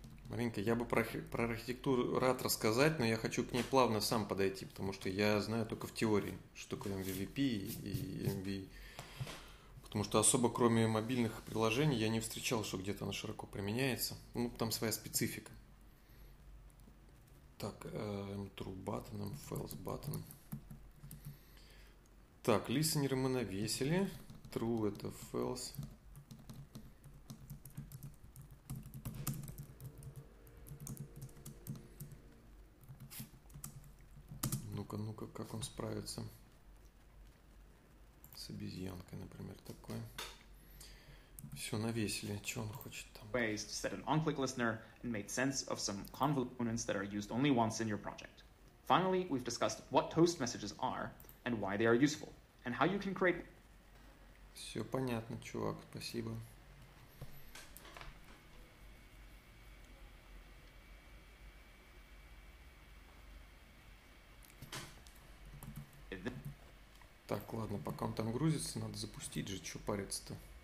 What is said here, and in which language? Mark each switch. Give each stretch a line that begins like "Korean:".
Russian: Маринка, я бы про архитектуру рад рассказать, но я хочу к ней плавно сам подойти, потому что я знаю только в теории, что такое MVP и MV. Потому что особо кроме мобильных приложений я не встречал, что где-то она широко применяется. Ну, там своя специфика. Так, true button, false button. Так, листенеры мы навесили. True – это false. Ну-ка, как он справится с обезьянкой, например, такой. Все, навесили. Что он хочет там?
English: Ways to set an on-click listener and make sense of some components that are used only once in your project. Finally, we've discussed what toast messages are and why they are useful, and how you can create...
Russian: Все понятно, чувак, спасибо. Так, ладно, пока он там грузится, надо запустить же, чё париться-то.